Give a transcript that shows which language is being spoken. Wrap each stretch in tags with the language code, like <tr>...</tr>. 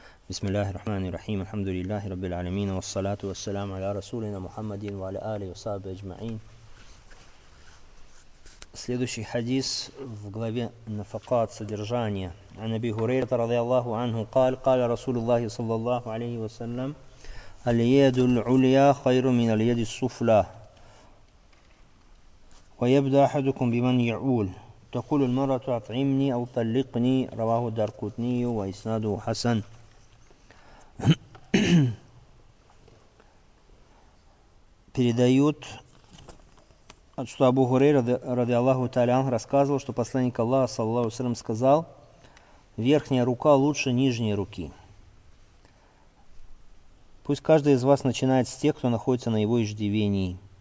<ar>بسم الله الرحمن الرحيم، الحمد لله رب العالمين، والصلاة والسلام على رسولنا محمد وعلى آله وصحبه أجمعين.</ar> <ru>Следующий хадис в главе Нафакат, содержание.</ru> <ar>عن أبي هريرة رضي الله عنه قال قال رسول الله صلى الله عليه وسلم اليد العليا خير من اليد السفلى ويبدأ أحدكم بمن يعول تقول المرأة اطعمني أو طلقني رواه الدارقطني وإسناده حسن.</ar> <ru>Передают, что Абу Хурейра, ради Аллаху Таалян, рассказывал, что посланник Аллаха, саллаллаху алейхи ва саллям, сказал: верхняя рука лучше нижней руки. Пусть каждый из вас начинает с тех, кто находится на его иждивении.</ru>